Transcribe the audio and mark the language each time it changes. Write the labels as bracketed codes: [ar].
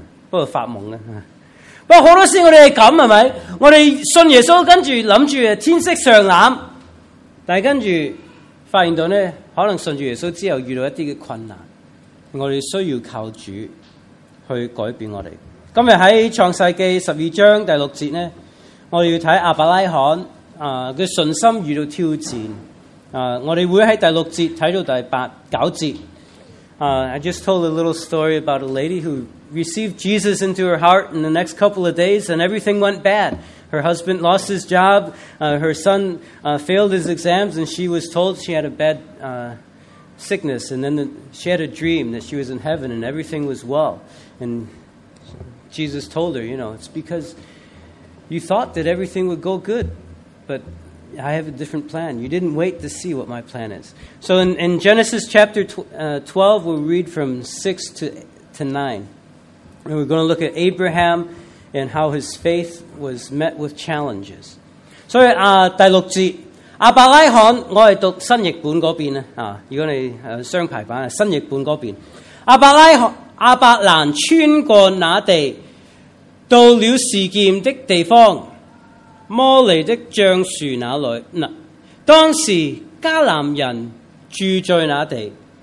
[zh] 不过发梦了。不过很多时候我们是这样，是不是我们信耶稣跟着想着天色尚蓝，但跟着发现到呢可能信着耶稣之后遇到一些困难，我们需要靠主去改变我们。今天在创世纪十二章第六节呢，我们要看亚伯拉罕的信心遇到挑战。我们会在第六节看到第八九节。 [en] I just told a little story about a lady who received Jesus into her heart in the next couple of days and everything went bad. Her husband lost his job, her son failed his exams, and she was told she had a bad sickness, and then she had a dream that she was in heaven and everything was well. And Jesus told her, you know, it's because you thought that everything would go good, but I have a different plan. You didn't wait to see what my plan is. So in Genesis chapter 12, we'll read from 6 to 9. And we're going to look at Abraham and how his faith was met with challenges. [zh] So, 第六節，亞伯拉罕，我是讀新譯本那邊，如果你雙排版，新譯本那邊。亞伯蘭穿過那地，到了事件的地方，摩尼的橡树那里，当时迦南人住在那地。